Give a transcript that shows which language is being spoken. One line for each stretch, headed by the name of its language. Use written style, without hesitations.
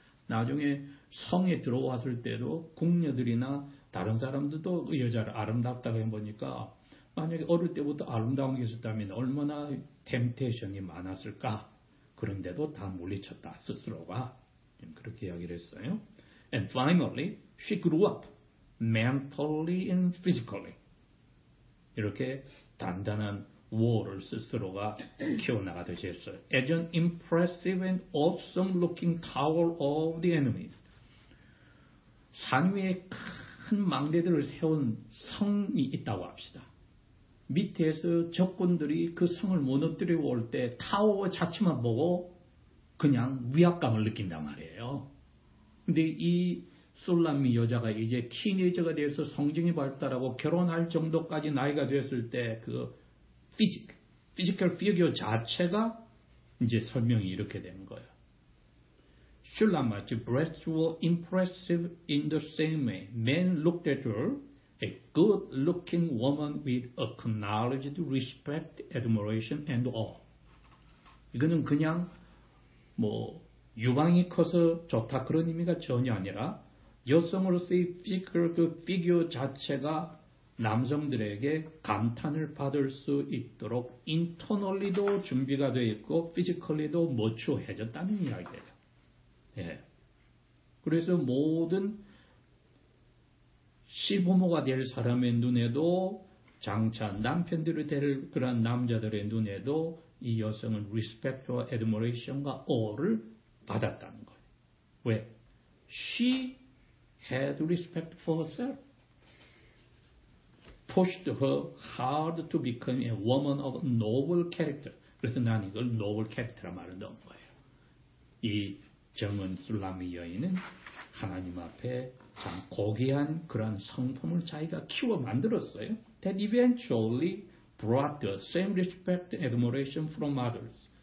Korean: 나중에 성에 들어왔을 때도 궁녀들이나 다른 사람들도 여자를 아름답다고 해보니까 만약에 어릴 때부터 아름다운 게 있었다면 얼마나 템테이션이 많았을까? 그런데도 다 물리쳤다. 스스로가. 그렇게 이야기를 했어요.
English: And finally, she grew up mentally and physically.
Korean: 이렇게 단단한 wall을 스스로가 키워나가듯이 했어요.
English: As an impressive and awesome looking tower of the enemies.
Korean: 산 위에 큰 망대들을 세운 성이 있다고 합시다. 밑에서 적군들이 그 성을 무너뜨리고 올 때 타워 자체만 보고 그냥 위압감을 느낀단 말이에요. 근데 이 솔라미 여자가 이제 티네이저가 돼서 성정이 발달하고 결혼할 정도까지 나이가 됐을 때 그 피지컬 피규어 자체가 이제 설명이 이렇게 된 거예요.
English: 슐라마즈 breasts were impressive in the same way. Men looked at her. A good-looking woman with acknowledged respect, admiration, and awe.
Korean: 이거는 그냥 뭐 유방이 커서 좋다 그런 의미가 전혀 아니라 여성으로서의 피규어 자체가 남성들에게 감탄을 받을 수 있도록 인터널리도 준비가 되어 있고 피지컬리도 멋져해졌다는 이야기예요. 예. 그래서 모든 시부모가 될 사람의 눈에도 장차 남편들이 될 그런 남자들의 눈에도 이 여성은 respect와 admiration과 awe를 받았다는 거예요. 왜?
English: She had respect for herself. Pushed her hard to become a woman of noble character.
Korean: 그래서 난 이걸 noble character라 말을 넣은 거예요. 이 정은 술람이 여인은 하나님 앞에 참 고귀한 그런 성품을 자기가 키워 만들었어요.
English: That eventually brought the same respect and admiration from others.